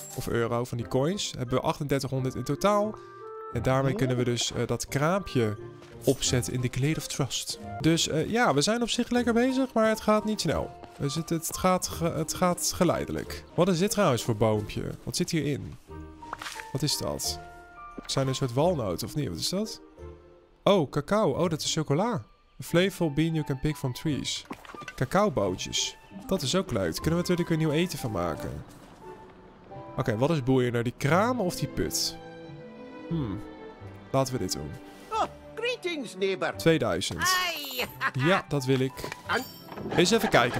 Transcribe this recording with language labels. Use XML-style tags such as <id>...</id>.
<nl>Of euro van die coins. Hebben we 3800 in totaal. En daarmee kunnen we dus dat kraampje opzetten in de Glade of Trust. Dus ja, we zijn op zich lekker bezig, maar het gaat niet snel. Het gaat geleidelijk. Wat is dit trouwens voor boompje? Wat zit hierin? Wat is dat? Zijn er een soort walnoten of niet? Wat is dat? Oh, cacao. Oh, dat is chocola.</nl> <en>A flavorful bean you can pick from trees.</en> <nl>Cacaobootjes. Dat is ook leuk. Daar kunnen we natuurlijk een nieuw eten van maken. Oké, wat is boeien? Naar die kraam of die put? Laten we dit doen.</nl> <en>Oh, greetings, neighbor. 2000. Ai.</en> <nl>Ja, dat wil ik. Eens even kijken.</nl>